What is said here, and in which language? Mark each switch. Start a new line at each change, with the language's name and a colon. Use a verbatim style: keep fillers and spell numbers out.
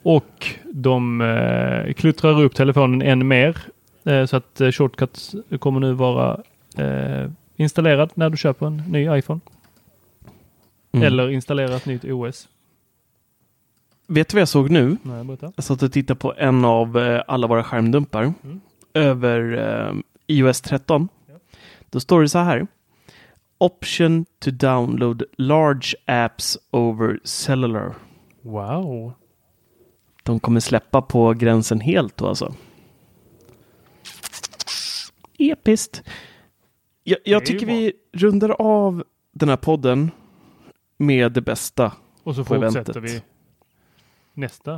Swedish: Och de uh, kluttrar upp telefonen än mer uh, så att uh, shortcuts kommer nu vara uh, installerad när du köper en ny iPhone. Mm. Eller installera ett nytt O S. Vet du vad jag såg nu? Nej, berätta. Jag satt och tittade på en av eh, alla våra skärmdumpar mm. över eh, i O S tretton. Ja. Då står det så här.
English: Option to download large apps over cellular. Wow.
Swedish: De kommer släppa på gränsen helt då alltså. Episkt. Jag, jag tycker vi rundar av den här podden med det bästa. Och så fortsätter vi. Nästa?